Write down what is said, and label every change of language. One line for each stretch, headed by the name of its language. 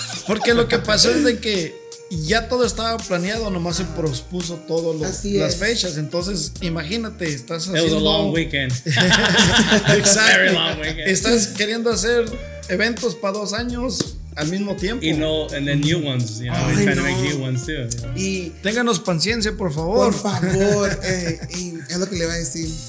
Spanish: Porque lo que pasó es de que ya todo estaba planeado, nomás se pospuso todas las fechas. Entonces, imagínate, estás haciendo.
English: It was a long weekend.
Spanish: Exacto.
English: Very long weekend.
Spanish: Estás queriendo hacer eventos para 2 años al mismo tiempo.
English: Y no, and then new ones, you know, trying to make new ones too. You know?
Spanish: Y ténganos paciencia, por favor. Por favor, es lo que le iba a decir.